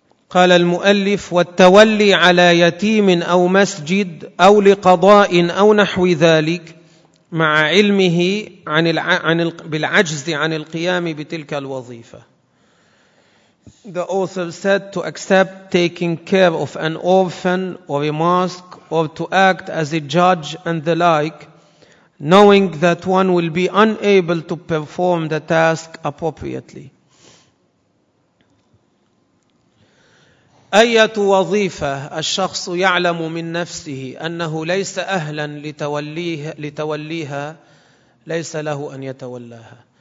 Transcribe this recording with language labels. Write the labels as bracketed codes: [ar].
[ar] قال المؤلف والتولي على يتيم أو مسجد أو لقضاء أو نحو ذلك مع علمه عن بالعجز عن القيام بتلك الوظيفة. [en] The author said to accept taking care of an orphan or a mosque or to act as a judge and the like, knowing that one will be unable to perform the task appropriately. [ar] أية وظيفة الشخص يعلم من نفسه أنه ليس أهلا لتوليها ليس له أن يتولاها.